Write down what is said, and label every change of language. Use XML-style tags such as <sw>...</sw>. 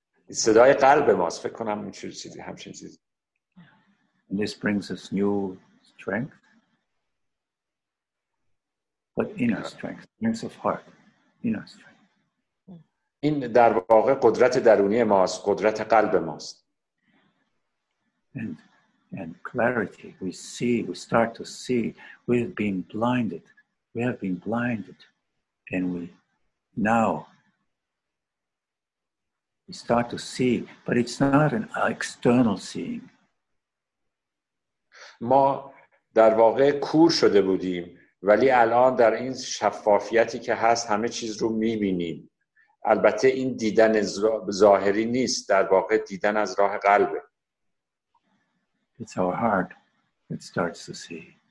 <fa>صدای قلب ماست فکر کنم این چیزی همچین چیزی</fa> <en>and this brings us new strength but inner strength strength of heart inner strength</en> <fa>این در واقع قدرت درونی ماست قدرت قلب ماست</fa> <en>and clarity we see we start to see we have been blinded and we now We start to see, but it's not an external seeing.</en> <fa>ما در واقع کور شده بودیم ولی الان در این شفافیتی که هست همه چیز رو میبینیم البته این دیدن ظاهری نیست، در واقع دیدن از راه قلبه.</fa> <en>It's our heart that starts to see.</en>